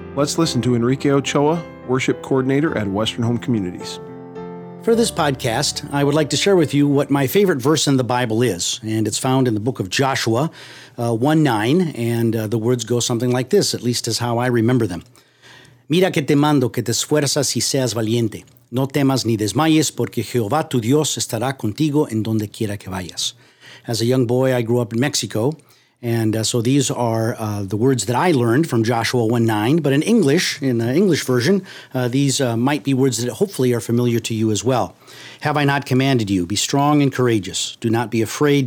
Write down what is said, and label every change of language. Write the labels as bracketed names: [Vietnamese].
[English] Let's listen to Enrique Ochoa, Worship Coordinator at Western Home Communities. For this podcast, I would like to share with you what my favorite verse in the Bible is, and it's found in the book of Joshua 1:9, and the words go something like this, at least is how I remember them. [Spanish] Mira que te mando que te esfuerzas y seas valiente. No temas ni desmayes, porque Jehová tu Dios estará contigo en donde quiera que vayas. [English] As a young boy, I grew up in Mexico, and so these are the words that I learned from Joshua 1:9. But in English, in the English version, these might be words that hopefully are familiar to you as well. Have I not commanded you? Be strong and courageous. Do not be afraid.